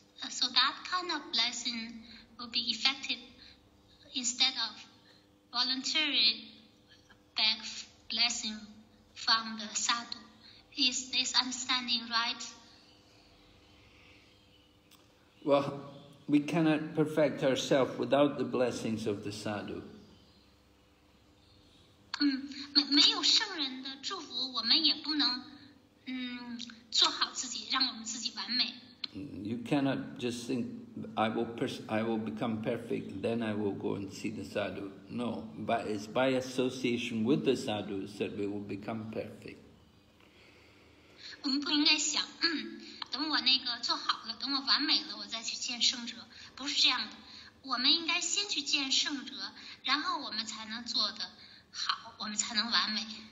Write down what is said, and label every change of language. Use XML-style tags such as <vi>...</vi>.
<en>So that kind of blessing will be effective instead of voluntary beg blessing from the sadhu. Is this understanding right? Well, we cannot perfect ourselves without the blessings of the sadhu.</en> <zh>没有圣人的祝福, 我们也不能, 做好自己, 让我们自己完美。</zh> <en>You cannot just think, I will become perfect, then I will go and see the sadhu. No, but it's by association with the sadhus that we will become perfect.</en> <zh>我们不应该想, 等我那个做好了, 等我完美了, 我再去见圣者, 不是这样的, 我们应该先去见圣者, 然后我们才能做得好, 我们才能完美。</zh>